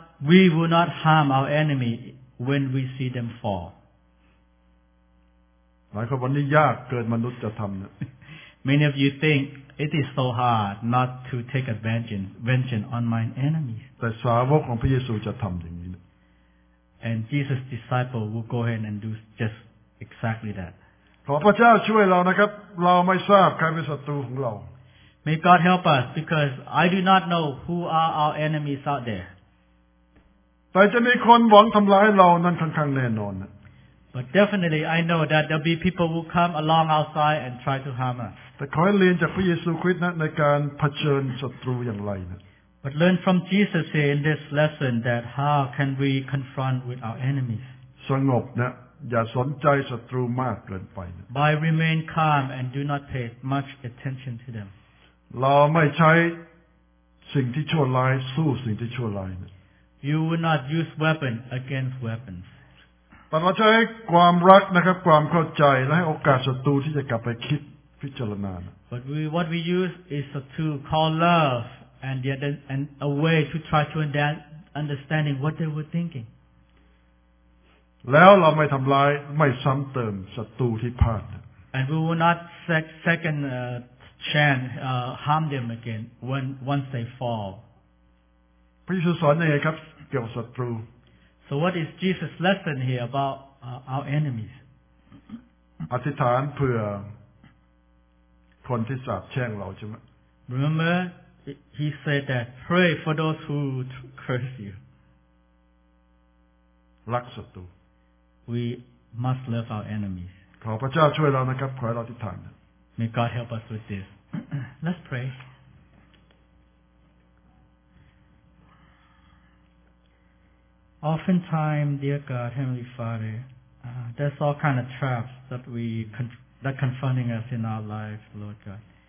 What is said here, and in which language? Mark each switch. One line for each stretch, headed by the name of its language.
English: We will not harm our enemy when we see them fall.
Thai: หลายคนวันนี้ยากเกินมนุษย์จะทำนะ
English: Many of you think it is so hard not to take vengeance on my enemies.
Thai: แต่สาวกของพระเยซูจะทำอย่างนี้
English: And Jesus' disciples will go ahead and do just exactly that.
Thai: ขอพระเจ้าช่วยเรานะครับเราไม่ทราบใครเป็นศัตรูของเรา
English: May God help us because I do not know who are our enemies out there.
Thai: แต่จะมีคนหวังทำร้ายเรานั้นค่อนข้างแน่นอน
English: But definitely I know that there'll be people who come along outside and try to harm us.
Thai: แต่ขอให้เรียนจากพระเยซูคริสต์นะในการเผชิญศัตรูอย่างไรนะ
English: But learn from Jesus here in this lesson that how can we confront with our enemies?
Thai: สงบนะอย่าสนใจศัตรูมากเกินไปนะ
English: By remain calm and do not pay much attention to them.
Thai: เราไม่ใช้สิ่งที่ชั่วร้ายสู้สิ่งที่ชั่วร้ายนะ
English: You will not use weapon against weapons.
Thai: แต่เราใช้ความรักนะครับความเข้าใจและให้โอกาสศัตรูที่จะกลับไปคิดพิจารณานะ
English: But what we use is a tool called love. And yet, and a way to try to understand what they were thinking.
Thai: แล้วเราไม่ทำร้ายไม่ซ้ำเติมศัตรูที่พลาด
English: And we will not second chance harm them again once they fall.
Thai: พระเยซูสอนยังไงครับเกี่ยวกับศัตรู
English: So what is Jesus' lesson here about our enemies?
Thai: อธิษฐานเผื่อคนที่สาปแช่งเราใช่ไหม
English: Remember. He said that pray for those who curse you.
Thai: รักศัตรู
English: We must love our enemies.
Thai: ขอพระเจ้าช่วยเรานะครับขอให้เราอธิษฐาน
English: May God help us with this. Let's pray. Oftentimes, dear God, Heavenly Father, there's all kind of traps that that confronting us in our life, Lord God.